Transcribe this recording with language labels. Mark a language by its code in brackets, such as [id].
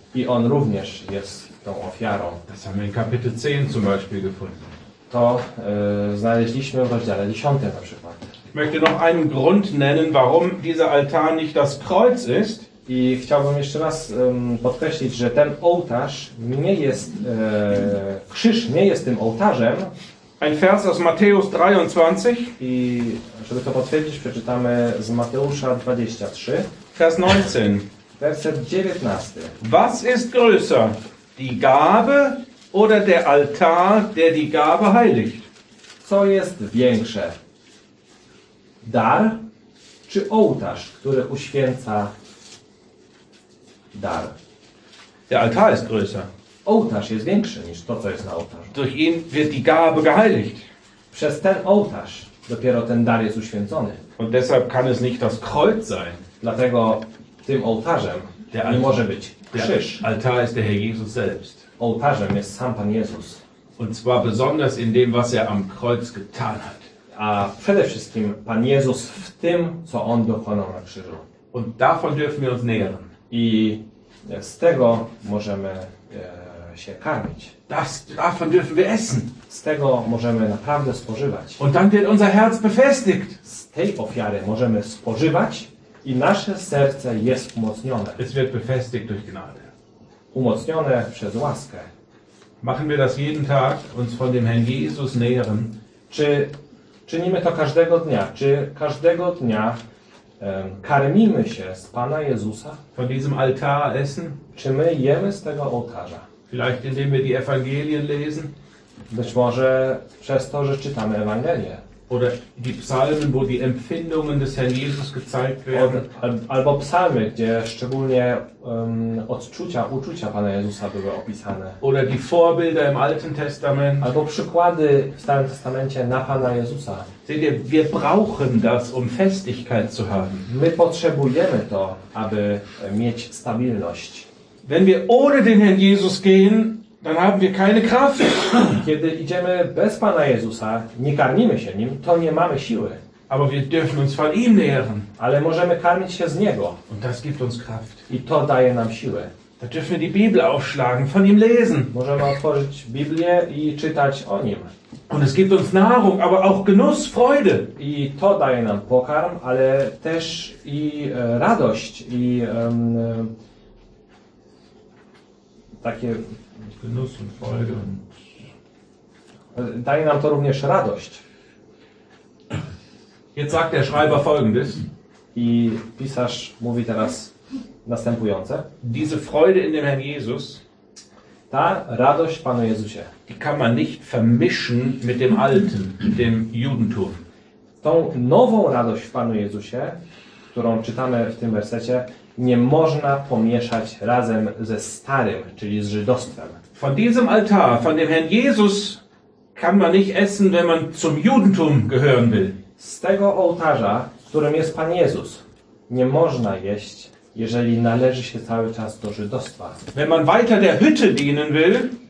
[pl] I on również jest tą ofiarą. [de] Das haben wir in Kapitel 10 zum Beispiel gefunden. [pl] To znaleźliśmy w rozdziale 10 na przykład. [de] Ich möchte noch einen Grund nennen, warum dieser Altar nicht das Kreuz ist. [pl] I chciałbym jeszcze raz podkreślić, że ten ołtarz nie jest krzyż nie jest tym ołtarzem. [de] Ein Vers aus Matthäus 23. [pl] I żeby to potwierdzić, przeczytamy z Mateusza 23. [de] Vers 19. [pl] Werset 19. [de] Was ist größer, die Gabe oder der Altar, der die Gabe heiligt? [pl] Co jest większe? Dar czy ołtarz, który uświęca dar? [de] Der Altar ist größer. [pl] Ołtarz jest większy niż to, co jest na ołtarzu. [de] Durch ihn wird die Gabe geheiligt. [pl] Przez ten ołtarz dopiero ten dar jest uświęcony. [de] Und deshalb kann es nicht das Kreuz sein. [pl] Dlatego tym ołtarzem der nie może być krzyż. [de] Der Altar ist der Herr Jesus selbst. [pl] Ołtarzem jest sam Pan Jezus. [de] Und zwar besonders in dem, was er am Kreuz getan hat. [pl] A przede wszystkim Pan Jezus w tym, co on dokonał na krzyżu. [de] Und davon dürfen wir uns nähren. [pl] I z tego możemy się karmić. [de] Davon dürfen wir essen. [pl] Z tego możemy naprawdę spożywać. [de] Und dann wird unser Herz befestigt. [pl] Z tej ofiary możemy spożywać i nasze serce jest umocnione. [de] Es wird befestigt durch Gnade. [pl] Umocnione przez łaskę. [de] Machen wir das jeden Tag, uns von dem Herrn Jesus nähren. [pl] Czy czynimy to każdego dnia? Czy każdego dnia karmimy się z Pana Jezusa? [de] Von diesem Altar essen? [pl] Czy my jemy z tego ołtarza? [de] Vielleicht indem wir die Evangelien lesen? [pl] Być może przez to, że czytamy Ewangelię. [de] Oder die Psalmen, wo die Empfindungen des Herrn Jesus gezeigt werden. [pl] Albo psalmy, gdzie szczególnie odczucia, uczucia Pana Jezusa były opisane. [de] Oder die Vorbilder im Alten Testament. [pl] Albo przykłady w Starym Testamencie na Pana Jezusa. [de] Seht ihr, wir brauchen das, um Festigkeit zu haben. [pl] My potrzebujemy to, aby mieć stabilność. [de] Wenn wir ohne den Herrn Jesus gehen, dann haben wir keine Kraft. [pl] Kiedy idziemy bez Pana Jezusa, nie karmimy się nim, to nie mamy siły. [de] Aber wir dürfen uns von ihm nähren. [pl] Ale możemy karmić się z niego. [de] Und das gibt uns Kraft. [pl] I to daje nam siłę. [de] Da dürfen wir die Bibel aufschlagen, von ihm lesen. [pl] Możemy otworzyć Biblię i czytać o nim. [de] Und es gibt uns Nahrung, aber auch Genuss, Freude. [pl] I to daje nam pokarm, ale też i radość i takie [de] Genuss und Freude. [pl] Daje nam to również radość. [de] Jetzt sagt der Schreiber folgendes. [pl] I pisarz mówi teraz następujące. [de] Diese Freude in dem Herrn Jesus, [pl] ta radość Panu Jezusie, [de] die kann man nicht vermischen mit dem Alten, dem Judentum. [pl] Tą nową radość w Panu Jezusie, którą czytamy w tym wersecie, nie można pomieszać razem ze starym, czyli z żydostwem. [de] Von diesem Altar, von dem Herrn Jesus, kann man nicht essen, wenn man zum Judentum gehören will. [pl] Z tego ołtarza, którym jest Pan Jezus, nie można jeść, jeżeli należy się cały czas do żydostwa. [de] Wenn man weiter der Hütte dienen will,